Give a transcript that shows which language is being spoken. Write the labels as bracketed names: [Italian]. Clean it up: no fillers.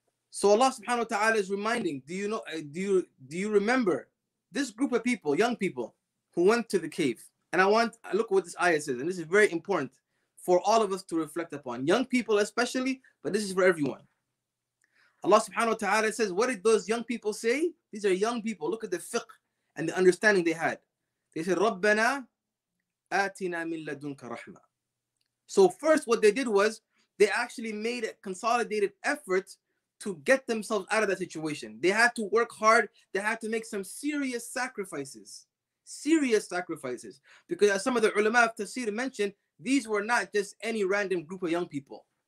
[English] So Allah subhanahu wa ta'ala is reminding, do you remember this group of people, young people, who went to the cave? And look what this ayah says, and this is very important for all of us to reflect upon. Young people especially, but this is for everyone. Allah subhanahu wa ta'ala says, what did those young people say? These are young people. Look at the fiqh and the understanding they had. They said, [Arabic] رَبَّنَا آتِنَا مِنْ لَدُنْكَ رَحْمَةً. [English] So first what they did was, they actually made a consolidated effort to get themselves out of that situation. They had to work hard. They had to make some serious sacrifices. Serious sacrifices. Because as some of the ulama of tafsir mentioned, these were not just any random group of young people.